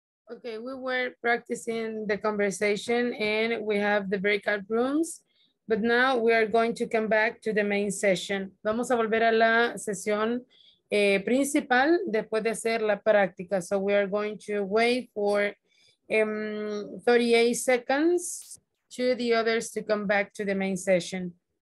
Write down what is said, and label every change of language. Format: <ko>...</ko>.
<en>Okay, we were practicing the conversation and we have the breakout rooms, but now we are going to come back to the main session.</en> <es>Vamos a volver a la sesión principal después de hacer la práctica.</es> <en>So we are going to wait for 38 seconds to the others to come back to the main session.</en>